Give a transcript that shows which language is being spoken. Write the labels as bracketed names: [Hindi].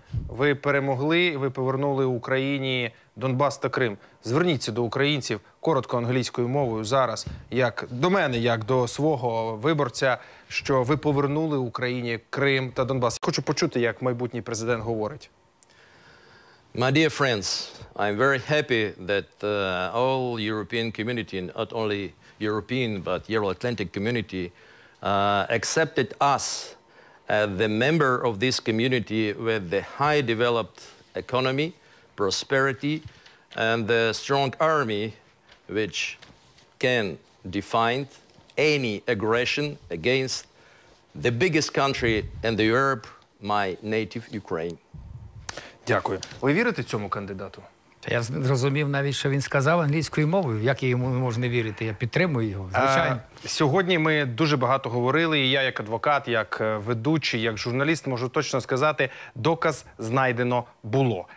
[Ukrainian] Ви перемогли, ви повернули Україні Донбас та Крим. Зверніться до українців коротко англійською мовою зараз, як до мене, як до свого виборця, що ви повернули Україні Крим та Донбас. Хочу почути, як майбутній президент говорить. [English] My dear friends, I'm very happy that all European community, not only European, but Euro-Atlantic community, accepted us as the member of this community with the high developed economy, prosperity, and the strong army, which can define any aggression against the biggest country in the Europe, my native Ukraine. [Ukrainian] Дякую. Ви вірите цьому кандидату? Я зрозумів навіть, що він сказав англійською мовою. Як йому можна вірити? Я підтримую його, звичайно. Сьогодні ми дуже багато говорили, і я як адвокат, як ведучий, як журналіст можу точно сказати, доказ знайдено було.